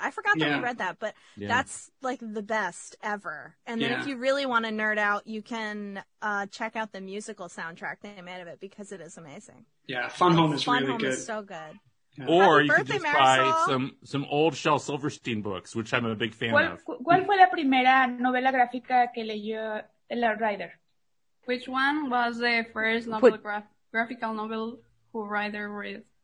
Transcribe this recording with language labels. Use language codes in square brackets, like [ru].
[en] I forgot that we read that, but that's like the best ever. And then if you really want to nerd out, you can check out the musical soundtrack they made of it because it is amazing. Yeah. Fun Home is really good. Fun Home is so good. Yeah. Or you could just buy some old Shel Silverstein books, which I'm a big fan of. [es] ¿Cuál fue la primera novela gráfica que leyó el writer? [en] Which one was the first novel graphical novel who writer read?